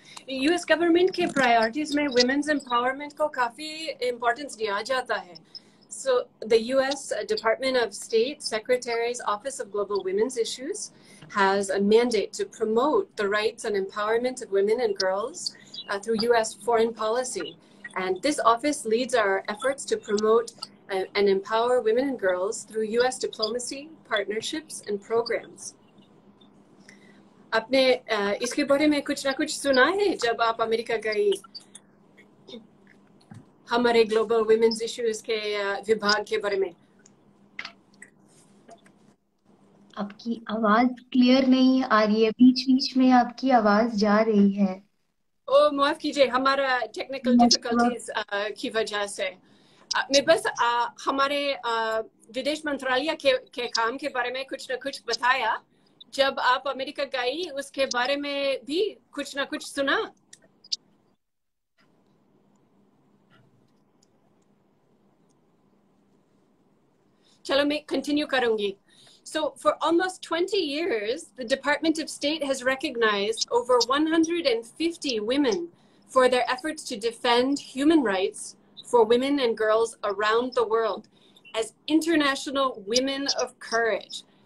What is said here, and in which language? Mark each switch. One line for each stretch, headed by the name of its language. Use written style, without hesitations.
Hindi: US government के priorities में women's empowerment को काफी इम्पोर्टेंस दिया जाता है.
English: So the US department of state secretary's office of global women's issues has a mandate to promote the rights and empowerment of women and girls through US foreign policy. And this office leads our efforts to promote and empower women and girls through U.S. diplomacy, partnerships, and programs.
Hindi: आपने इसके बारे में कुछ ना कुछ सुना है जब आप अमेरिका गई हमारे ग्लोबल वुमेन्स इश्यूज के विभाग के बारे में. आपकी आवाज क्लियर नहीं आ रही है. बीच बीच में आपकी आवाज जा रही है. ओ माफ कीजिए, हमारा टेक्निकल डिफिकल्टीज की वजह से. मैं बस हमारे विदेश मंत्रालय के काम के बारे में कुछ ना कुछ बताया जब आप अमेरिका गई उसके बारे में भी कुछ ना कुछ सुना. चलो मैं कंटिन्यू करूंगी.
English: So for almost 20 years, the Department of State has recognized over 150 women for their efforts to defend human rights for women and girls around the world as International Women of Courage.